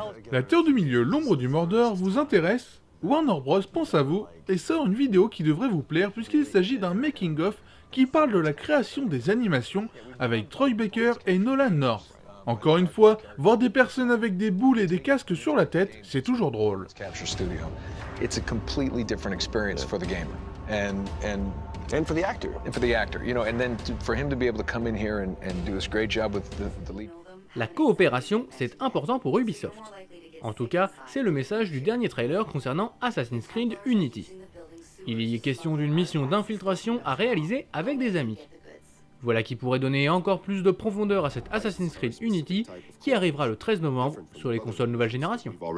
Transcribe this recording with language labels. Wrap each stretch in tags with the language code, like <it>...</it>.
<fr>La Terre du Milieu, L'Ombre du Mordeur vous intéresse? Warner Bros. Pense à vous et sort une vidéo qui devrait vous plaire puisqu'il s'agit d'un making-of qui parle de la création des animations avec Troy Baker et Nolan North. Encore une fois, voir des personnes avec des boules et des casques sur la tête, c'est toujours drôle. Capture Studio.</fr> <en>It's a completely different experience for the gamer and for the actor. And for the actor, you know, and then for him to be able to come in here and do this great job with the lead.</en> <fr>La coopération, c'est important pour Ubisoft. En tout cas, c'est le message du dernier trailer concernant Assassin's Creed Unity. Il y est question d'une mission d'infiltration à réaliser avec des amis. Voilà qui pourrait donner encore plus de profondeur à cet Assassin's Creed Unity qui arrivera le 13 novembre sur les consoles nouvelle génération.</fr>